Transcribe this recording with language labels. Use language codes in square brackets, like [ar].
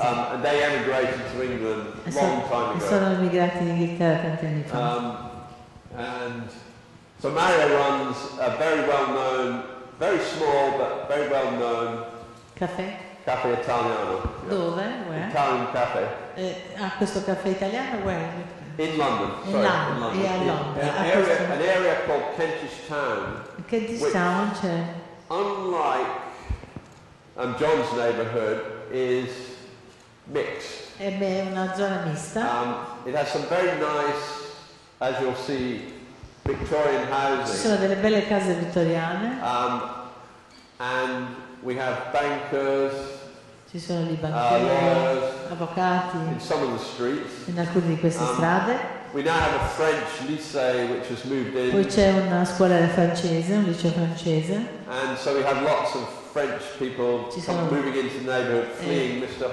[en] And they emigrated to England a long time ago. [it] E sono emigrati in Inghilterra tanti anni fa. [en] So Mario runs a very well-known very small but very well known cafe. [it] Cafe italiano. Dove? [en] Where? Italian cafe. [it] Ah, questo cafe italiano, [en] where? In London. In London. Yeah, London. An area called Kentish Town. [it] Kentish Town, c'è. [en] Unlike John's neighbourhood, is mixed. [it] È una zona mista. [en] It has some very nice, as you'll see, Victorian housing. [it] Sono delle belle case vittoriane. [en] And we have bankers. [it] Ci sono I banchieri, [en] lawyers, [it] avvocati. [en] In some of the streets. [it] In alcune di queste strade. [en] We now have a French lycée which has moved in. [it] Poi c'è una scuola francese, un liceo francese. [en] And so we have lots of French people moving into the neighborhood, fleeing Mr.